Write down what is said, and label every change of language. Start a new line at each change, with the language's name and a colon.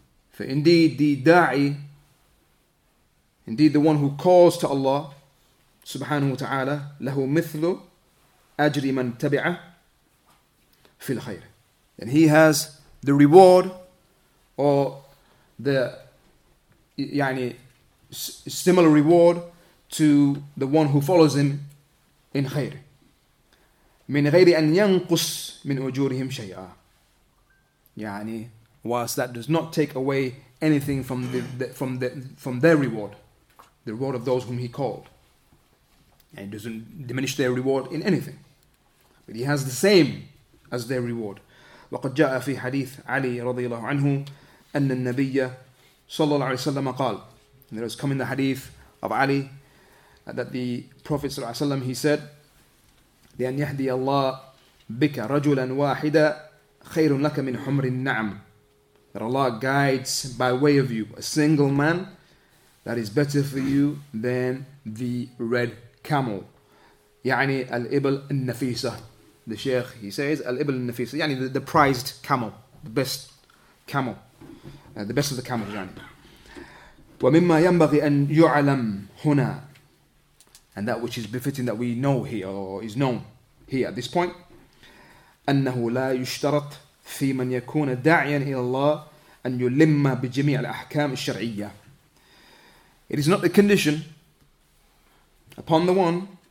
English: For indeed the da'i, indeed the one who calls to Allah subhanahu wa ta'ala,
Arabic: لَهُ مِثْلُ أَجْرِ مَنْ تَبِعَ فِي الْخَيْرِ.
English: And he has the reward or the يعني similar reward to the one who follows him in khair.
Arabic: من غير أن ينقص من أجورهم شيئا.
English: يعني whilst that does not take away anything from their reward, the reward of those whom he called, and it doesn't diminish their reward in anything, but he has the same as their reward.
Arabic: وقد جاء في حديث علي رضي الله عنه أن النبي صلى الله عليه وسلم قال.
English: There has come in the hadith of Ali that the Prophet صلى الله عليه وسلم, he said,
Arabic: لأن يهدي الله بك رجلا واحدا خير لك من حمر النعم.
English: That Allah guides by way of you a single man, that is better for you than the red camel.
Arabic: يعني الإبل النفيسة.
English: The Shaykh, he says,
Arabic: الإبل النفيسة,
English: يعني the prized camel, the best camel, the best of the camels.
Arabic: يعني ومما ينبغي أن يعلم هنا.
English: And that which is befitting that we know here, or is known here at this point.
Arabic: أَنَّهُ لَا يُشْتَرَطْ فِي مَنْ يَكُونَ دَاعِيًا إِلَى اللَّهِ أَنْ يُلِمَّ بِجِمِيعَ الْأَحْكَامِ الشَّرْعِيَّةِ.
English: It is not the condition upon the one